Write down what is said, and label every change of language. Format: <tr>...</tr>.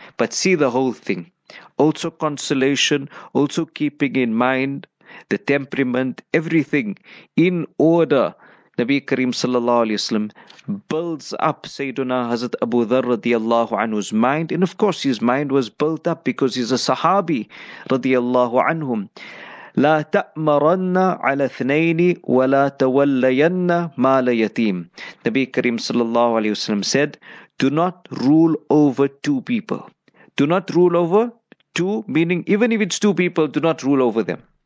<en>But see the whole thing. Also consolation, also keeping in mind the temperament, everything in order. Nabi Kareem sallallahu alayhi wa sallam builds up Sayyiduna Hazrat Abu Dharr radiallahu anhu's mind. And of course his mind was built up because he's a Sahabi radiallahu anhum.</en> <ar>لا تأمرن على اثنين ولا تولين مال يتيم.</ar> <en>Nabi Kareem sallallahu alayhi wa sallam said, do not rule over two people. Do not rule over two, meaning even if it's two people, do not rule over them.</en>